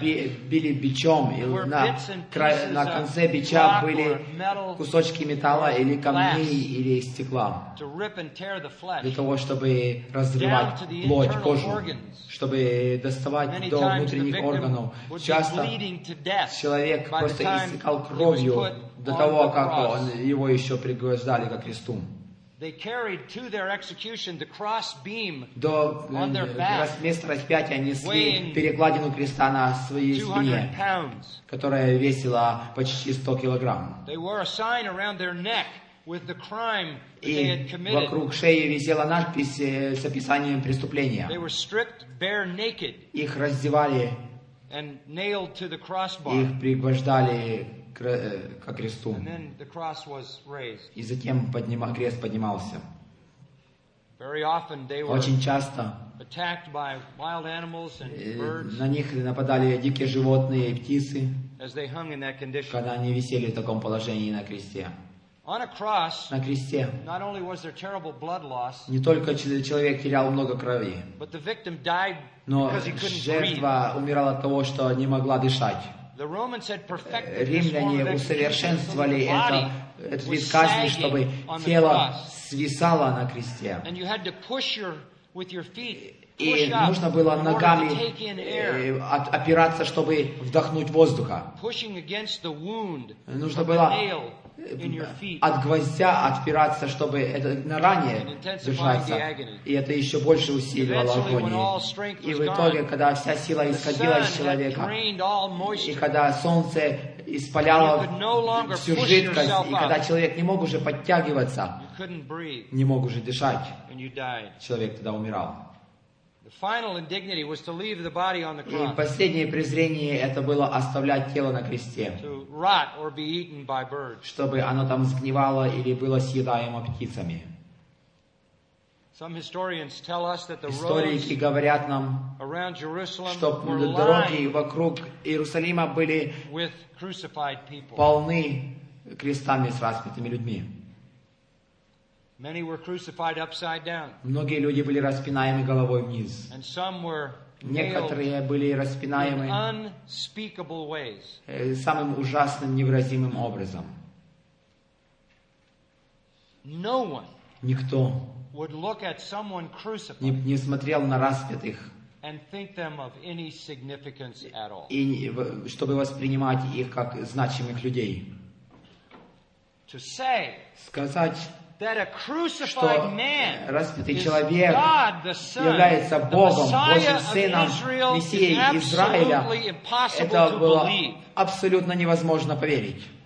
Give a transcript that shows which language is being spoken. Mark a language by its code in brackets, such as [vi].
[ru] били бичом, и на конце бича были кусочки металла или камней или стекла для того, чтобы разрывать плоть, кожу, чтобы доставать до внутренних органов. Часто человек просто истекал кровью до того, как его еще пригвождали ко кресту. [en] They carried to their execution the cross beam on their back. [ru] До места распятия несли перекладину креста на своей спине, которая весила почти 100 килограмм. [en] They wore a sign around their neck with the crime they had committed. [ru] И вокруг шеи висела надпись с описанием преступления. [en] They were stripped bare naked. [ru] Их раздевали [en] and nailed to the crossbar. [ru] Их пригвождали ко кресту. [en] And then the cross was raised. [ru] И затем крест поднимался. [en] Very often they were [ru] очень часто [en] attacked by wild animals and birds, [ru] на них нападали дикие животные и птицы, [en] as they hung in that condition. [ru] Когда они висели в таком положении на кресте. [en] On a cross, [ru] на кресте [en] not only was there terrible blood loss, [ru] не только человек терял много крови, [en] but the victim died [ru] но [en] because he couldn't [ru] жертва [en] breathe. [ru] Умирала от того, что не могла дышать. [en] The Romans had perfected this form of execution. [ru] Римляне усовершенствовали этот вид казни, чтобы тело свисало на кресте. [en] And you had to push your with your feet. [ru] И нужно было ногами опираться, чтобы вдохнуть воздуха. [en] Pushing against the wound. [ru] Нужно было от гвоздя отпираться, чтобы это на ране держаться. И это еще больше усиливало агонию. И в итоге, когда вся сила исходила из человека, и когда солнце испаляло всю жидкость, и когда человек не мог уже подтягиваться, не мог уже дышать, человек тогда умирал. [en] Final indignity was to leave the body on the cross. [ru] И последнее презрение это было оставлять тело на кресте. [en] To rot or be eaten by birds. [ru] Чтобы оно там сгнивало или было съедаемо птицами. [en] Some historians tell us that the roads. [ru] Историки говорят нам, [en] around Jerusalem, [ru] что дороги вокруг Иерусалима были [en] with crucified people. [ru] Полны крестами с распятыми людьми. [en] Many were crucified upside down. [ru] Многие люди были распинаемы головой вниз. [en] And some were [ru] некоторые были распинаемы [en] in unspeakable ways. [ru] Самым ужасным, невыразимым образом. [en] No one [ru] никто [en] would look at someone crucified [ru] не смотрел на распятых [en] and think them of any significance at all. [ru] И чтобы воспринимать их как значимых людей. [en] To say [ru] сказать [en] that a crucified man [ru] распятый человек [en] God, the Son, [ru] является Богом, [en] the Messiah [ru] Божьим Сыном, Мессией Израиля, это было абсолютно невозможно поверить.